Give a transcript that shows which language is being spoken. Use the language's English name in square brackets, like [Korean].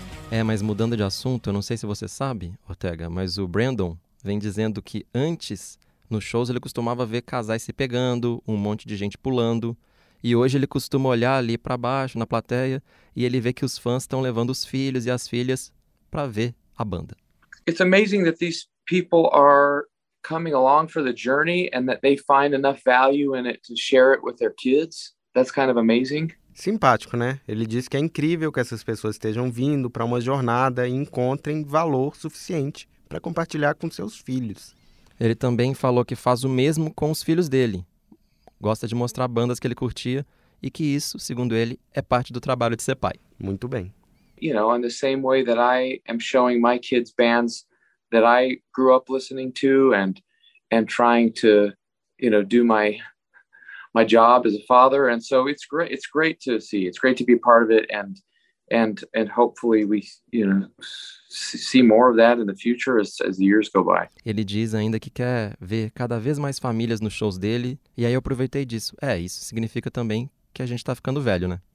[Portuguese] É, mas mudando de assunto, eu não sei se você sabe, Ortega, mas o Brandon vem dizendo que antes, nos shows, ele costumava ver casais se pegando, um monte de gente pulando. E hoje ele costuma olhar ali para baixo, na plateia, e ele vê que os fãs estão levando os filhos e as filhas para ver a banda. [English] It's amazing that these people are coming along for the journey and that they find enough value in it to share it with their kids. That's kind of amazing. [Portuguese] Simpático, né? Ele diz que é incrível que essas pessoas estejam vindo para uma jornada e encontrem valor suficiente para compartilhar com seus filhos. Ele também falou que faz o mesmo com os filhos dele. Gosta de mostrar bandas que ele curtia e que isso, segundo ele, é parte do trabalho de ser pai. Muito bem. [English] You know, in the same way that I am showing my kids bands that I grew up listening to and trying to, you know, do my job as a father, and so it's great to see. It's great to be a part of it and hopefully we, you know, see more of that in the future as the years go by. [Portuguese] Ele diz ainda que quer ver cada vez mais famílias nos shows dele, e aí eu aproveitei disso. É, isso significa também que a gente tá ficando velho, né?